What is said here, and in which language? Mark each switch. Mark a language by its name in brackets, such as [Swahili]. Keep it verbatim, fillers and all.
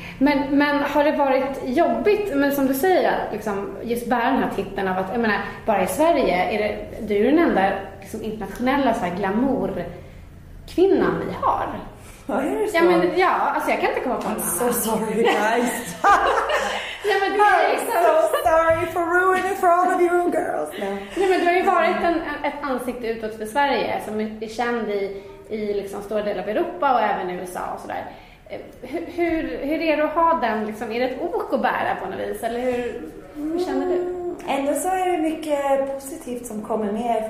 [Swedish] Men, men har det varit jobbigt, men som du säger, liksom, just bära den här titeln av att, jag menar, bara i Sverige är det, du är den enda liksom, internationella så här, glamour-kvinnan vi har. Ja, är det så? Ja, men, ja, alltså jag kan inte komma på [English] I'm so sorry guys. [Swedish] Nej, men det är liksom... [English] I'm so sorry for ruining for all of you girls. [Swedish] Nej. Nej, men du har ju varit en, en, ett ansikte utåt för Sverige som är känd i, i liksom stora delar av Europa och även i U S A och sådär. Hur, hur, hur är det att ha den? Liksom, är det ett ok att bära på något vis? Eller hur, hur känner du? Mm, ändå så är det mycket positivt som kommer med.